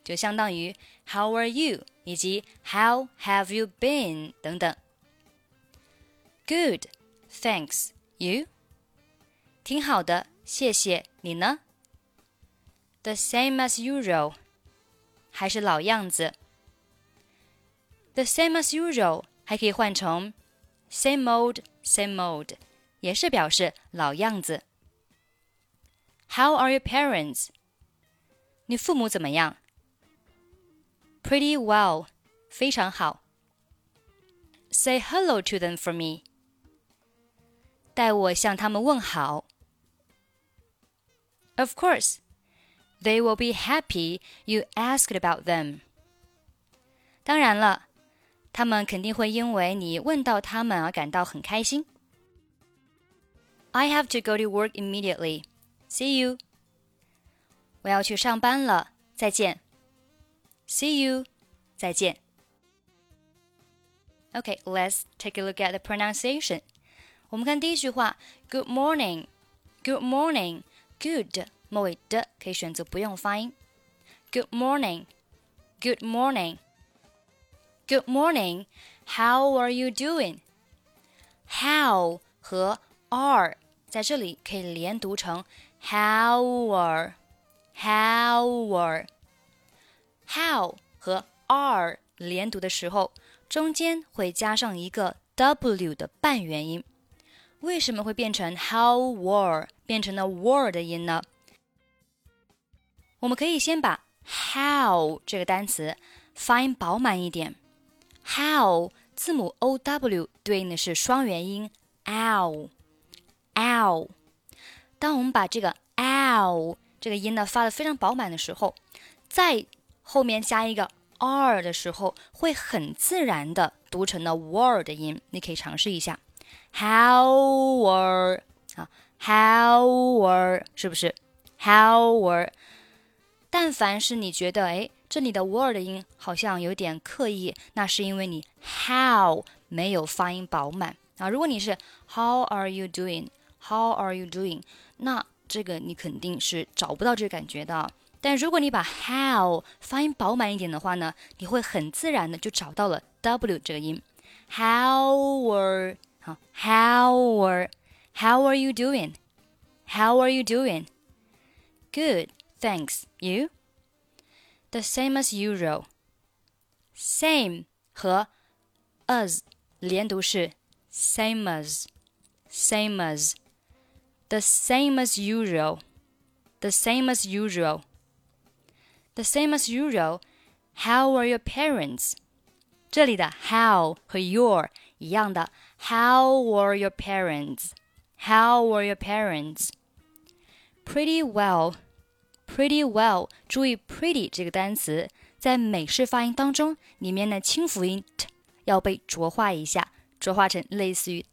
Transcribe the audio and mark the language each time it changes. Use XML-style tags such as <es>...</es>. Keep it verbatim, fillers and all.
<zh>就相当于</zh> <en>How are you?</en> <zh>以及</zh> <en>How have you been?</en> <zh>等等。</zh> <en>Good, thanks, you?</en> <zh>挺好的，谢谢，你呢？</zh> <en>The same as usual,</en> <zh>还是老样子。</zh> <en>The same as usual.</en> <zh>还可以换成</zh> <en>same old, same old,</en> <zh>也是表示老样子。</zh> <en>How are your parents?</en> <zh>你父母怎么样？</zh> <en>Pretty well,</en> <zh>非常好。</zh> <en>Say hello to them for me.</en> <zh>代我向他们问好。</zh> <en>Of course, they will be happy you asked about them.</en> <zh>当然了。他们肯定会因为你问到他们而感到很开心。</zh> <en>I have to go to work immediately. See you.</en> <zh>我要去上班了，再见。See you. 再见。</zh> <en>Okay, let's take a look at the pronunciation.</en> <zh>我们看第一句话</zh> <en>Good morning. Good morning. Good.</en> <zh>末尾的可以选择不用发音。</zh> <en>Good morning. Good morning. Good morning. How are you doing?</en> <zh>How 和 are 在这里可以连读成</zh> <en>how are, how are.</en> <zh>How 和 are 连读的时候，中间会加上一个 w 的半元音。为什么会变成 how are 变成了 were 的音呢？我们可以先把 how 这个单词发音饱满一点。 How 字母 O W 对应的是双元音 ow ow。当我们把这个 ow 这个音呢发得非常饱满的时候，在后面加一个 r 的时候，会很自然的读成了 word 的音。你可以尝试一下</zh> <en>how are how are</en> <zh>是不是 how are。但凡是你觉得哎这里的 word 音好像有点刻意，那是因为你 how 没有发音饱满、啊、如果你是</zh> <en>how are you doing how are you doing，</en> <zh>那这个你肯定是找不到这个感觉的。但如果你把 how 发音饱满一点的话呢，你会很自然的就找到了 w 这个音。</zh> <en>How are how are how are you doing how are you doing good thanks you The same as usual. Same</en> <zh>和</zh> <en>as</en> <zh>连读是</zh> <en>same as, same as. The same as usual. The same as usual. The same as usual. How are your parents?</en> <zh>这里的 how 和 your 一样的</zh> <en>How are your parents? How are your parents? Pretty well. Pretty well，</en> <zh>注意 pretty 这个单词在美式发音当中里面的清辅音 t 要被浊化一下，浊化成类似于</zh>